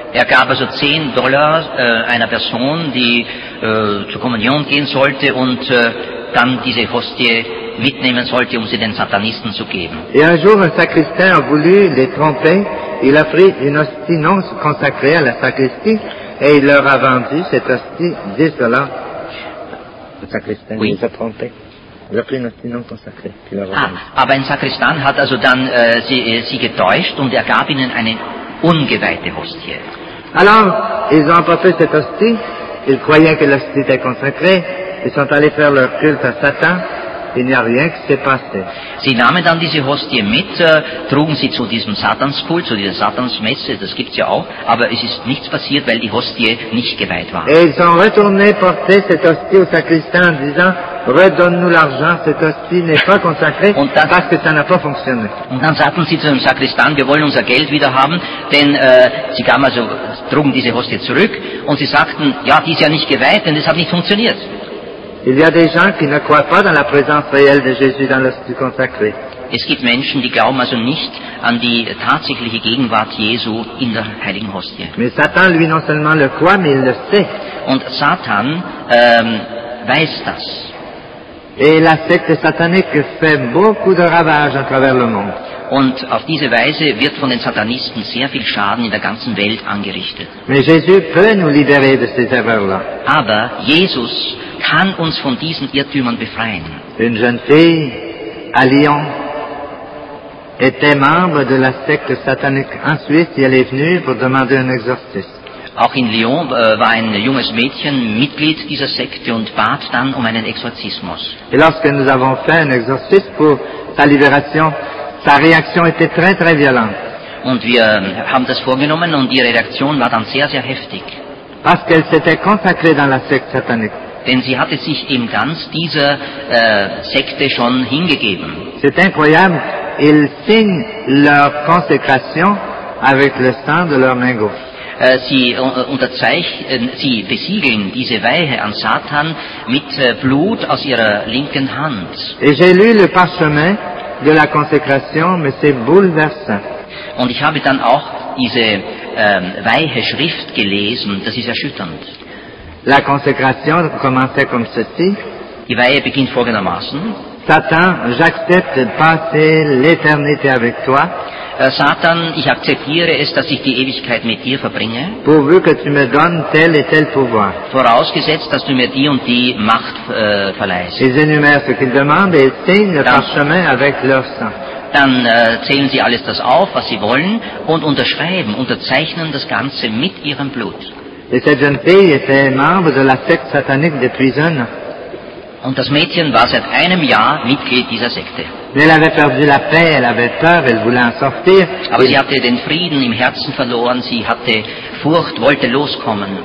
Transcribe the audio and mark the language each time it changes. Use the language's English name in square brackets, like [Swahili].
[German] Er gab also 10 Dollar einer Person, die zur Kommunion gehen sollte und dann diese Hostie mitnehmen sollte, um sie den Satanisten zu geben. [French] Et un jour, un sacristain a voulu les tromper. Il a pris une hostie non consacrée à la sacristie et il leur a vendu cette hostie 10 dollars. Le sacristain oui. Les a trompés. Il a pris une hostie non consacrée. Il a [German] ah, aber ein Sakristan hat also dann sie getäuscht und er gab ihnen eine ungeweihte Hostie. [French] Alors, ils ont emporté cette hostie. Ils croyaient que l'hostie était consacrée. Ils sont allés faire leur culte à Satan. Il n'y a rien qui s'est passé. [German] Sie nahmen dann diese Hostie mit, trugen sie zu diesem Satanskult, zu dieser Satansmesse, das gibt's ja auch, aber es ist nichts passiert, weil die Hostie nicht geweiht war. [French] Et ils sont retournés porter cette hostie au sacristain en disant, redonne-nous l'argent, cette hostie n'est pas consacrée, [German] dann, [French] parce que ça n'a pas fonctionné. [German] Und dann sagten sie zu dem Sakristan, wir wollen unser Geld wieder haben, denn sie kamen also, trugen diese Hostie zurück und sie sagten, ja, die ist ja nicht geweiht, denn das hat nicht funktioniert. [French] Il y a des gens qui ne croient pas dans la présence réelle de Jésus dans l'hostie consacrée. [German] Es gibt Menschen, die glauben also nicht an die tatsächliche Gegenwart Jesu in der heiligen Hostie. [French] Mais Satan, lui, non seulement le croit, mais il le sait. [German] Und Satan weiß das. [French] Et la secte satanique fait beaucoup de ravages à travers le monde. [German] Und auf diese Weise wird von den Satanisten sehr viel Schaden in der ganzen Welt angerichtet. [French] Mais Jésus peut nous libérer de ces erreurs-là. [German] Aber Jesus kann uns von diesen Irrtümern befreien. [French] Une jeune fille à Lyon était membre de la secte satanique en Suisse et elle est venue pour demander un exorcisme. [German] Auch in Lyon war ein junges Mädchen Mitglied dieser Sekte und bat dann um einen Exorzismus. [French] Et lorsque nous avons fait un exorcisme pour sa libération, sa réaction était très très violente. [German] Und wir haben das vorgenommen und ihre Reaktion war dann sehr sehr heftig. [French] Parce qu'elle s'était consacrée dans la secte satanique. [German] Denn sie hatte sich eben ganz dieser Sekte schon hingegeben. [French] C'est incroyable, ils signent leur consécration avec le sang de leur main gauche. [German] Sie besiegeln diese Weihe an Satan mit Blut aus ihrer linken Hand. [French] Et j'ai lu le parchemin de la consécration, mais c'est bouleversant. [German] Und ich habe dann auch diese Weihe-Schrift gelesen, das ist erschütternd. [French] La consécration commençait comme ceci. [German] Die Weihe beginnt folgendermaßen. [French] Satan, j'accepte de passer l'éternité avec toi. [German] Satan, ich akzeptiere es, dass ich die Ewigkeit mit dir verbringe. [French] Pourvu que tu me donnes tel et tel pouvoir. [German] Vorausgesetzt, dass du mir die und die Macht verleihst. [French] Ils énumèrent ce qu'ils demandent et signent le parchemin avec leur sang. [German] Dann zählen sie alles das auf, was sie wollen, und unterzeichnen das Ganze mit ihrem Blut. [French] Et cette jeune fille était membre de la secte satanique depuis un an. [German] Und das Mädchen war seit einem Jahr Mitglied dieser Sekte. [French] Elle avait perdu la paix, elle avait peur, elle voulait en sortir. [German] Aber sie hatte den Frieden im Herzen verloren, sie hatte Furcht, wollte loskommen.